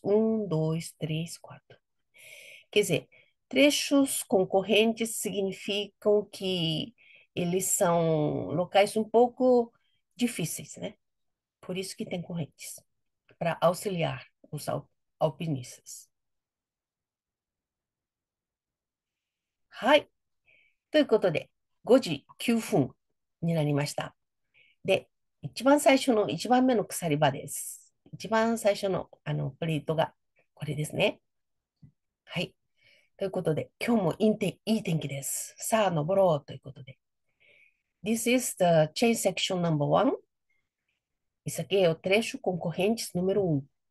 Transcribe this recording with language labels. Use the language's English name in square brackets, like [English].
[Portuguese] Um, dois, três, quatro. Quer dizer, trechos concorrentes significam que eles são locais um pouco difíceis, né? Por isso que tem correntes, para auxiliar os alpinistas. [Japanese] はい。ということで、5時9分になりました。で、一番最初の1番目の鎖場です。一番最初の、プレートがこれですね。はい。ということで、今日もいい天気です。さあ、登ろうということで。 [English] This is the chain section number one. [Portuguese] Isso aqui é o trecho concorrente número um.